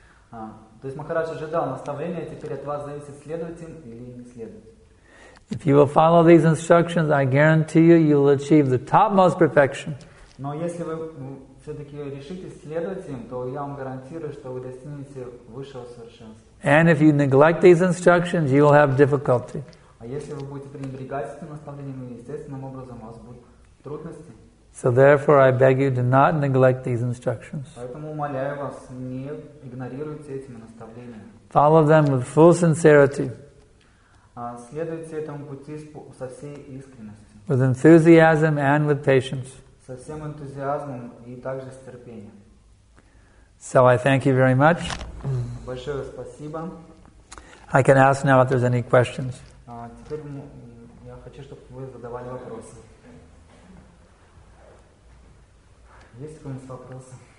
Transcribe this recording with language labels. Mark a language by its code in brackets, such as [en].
[ru] То есть Махарадж уже дал наставление, теперь от вас зависит, следовать им или не следовать. [en] If you will follow these instructions, I guarantee you, you will achieve the topmost perfection. [ru] Но если вы все-таки решите следовать им, то я вам гарантирую, что вы достигнете высшего совершенства. [en] And if you neglect these instructions, you will have difficulty. [ru] А если вы будете пренебрегать этим наставлением, естественным образом у вас будут трудности. [en] So therefore, I beg you, do not neglect these instructions. [ru] Поэтому умоляю вас, не игнорируйте эти наставления. [en] Follow them with full sincerity. [ru] Следуйте этому пути со всей искренностью. [en] With enthusiasm and with patience. [ru] Со всем энтузиазмом и также с терпением. [en] So I thank you very much. [ru] Большое спасибо. [en] I can ask now if there's any questions. [ru] Теперь я хочу, чтобы вы задавали вопросы. Есть какие-нибудь вопросы?